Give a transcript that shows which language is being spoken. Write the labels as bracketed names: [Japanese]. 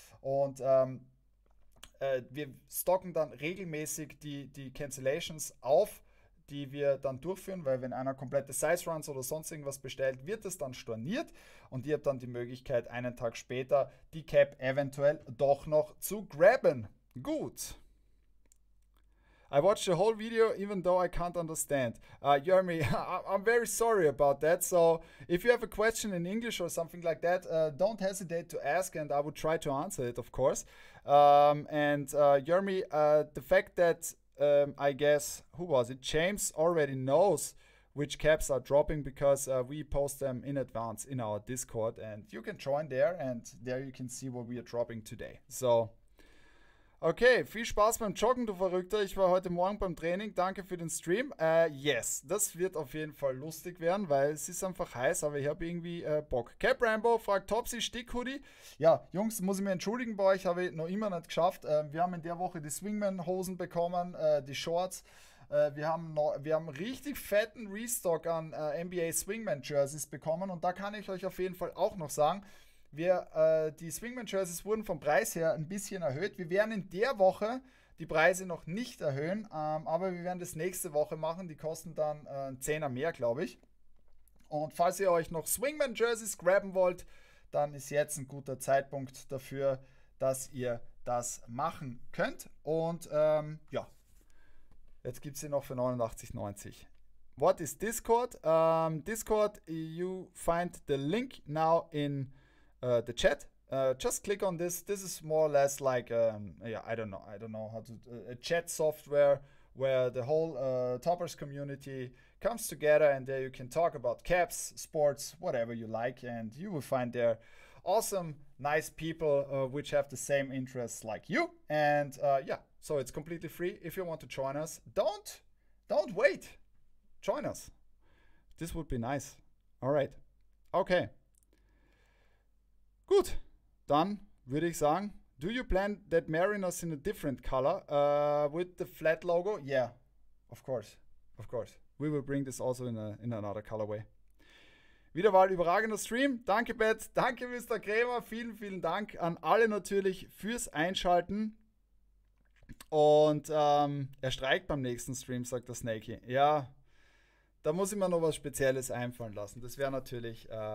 [German] Und wir stocken dann regelmäßig die Cancellations auf, die wir dann durchführen, weil wenn einer komplette Size Runs oder sonst irgendwas bestellt, wird es dann storniert und ihr habt dann die Möglichkeit, einen Tag später die Cap eventuell doch noch zu grabben. Gut. [English] I watched the whole video, even though I can't understand. Jeremy, I'm very sorry about that. So if you have a question in English or something like that, don't hesitate to ask and I would try to answer it, of course. Jeremy, the fact that I guess, who was it? James already knows which caps are dropping because we post them in advance in our Discord. And you can join there and there you can see what we are dropping today. So [German] Okay, viel Spaß beim Joggen, du Verrückter. Ich war heute Morgen beim Training. Danke für den Stream. Yes, das wird auf jeden Fall lustig werden, weil es ist einfach heiß, aber ich habe irgendwie Bock. Cap Rambo fragt Topsy Stickhoodie. Ja, Jungs, muss ich mich entschuldigen bei euch, habe ich noch immer nicht geschafft. Wir haben in der Woche die Swingman-Hosen bekommen, die Shorts. Wir haben richtig fetten Restock an NBA Swingman-Jerseys bekommen und da kann ich euch auf jeden Fall auch noch sagen, die Swingman-Jerseys wurden vom Preis her ein bisschen erhöht. Wir werden in der Woche die Preise noch nicht erhöhen, aber wir werden das nächste Woche machen. Die kosten dann einen Zehner mehr, glaube ich. Und falls ihr euch noch Swingman-Jerseys grabben wollt, dann ist jetzt ein guter Zeitpunkt dafür, dass ihr das machen könnt. Und ja, jetzt gibt es sie noch für 89,90. [English] What is Discord? Discord, you find the link now in the chat. Just click on this. This is more or less like, I don't know how to, a chat software where the whole Toppers community comes together and there you can talk about caps, sports, whatever you like. And you will find there awesome, nice people which have the same interests like you. And yeah, so it's completely free. If you want to join us, don't wait. Join us. This would be nice. All right. Okay. [German] Gut, dann würde ich sagen, [English] do you plan that Mariners in a different color with the flat logo? Yeah, of course. We will bring this also in another colorway. [German] Wieder mal überragender Stream. Danke, Pat. Danke, Mr. Krämer. Vielen, vielen Dank an alle natürlich fürs Einschalten. Und er streikt beim nächsten Stream, sagt der Snakey. Ja, da muss ich mir noch was Spezielles einfallen lassen. Das wäre natürlich...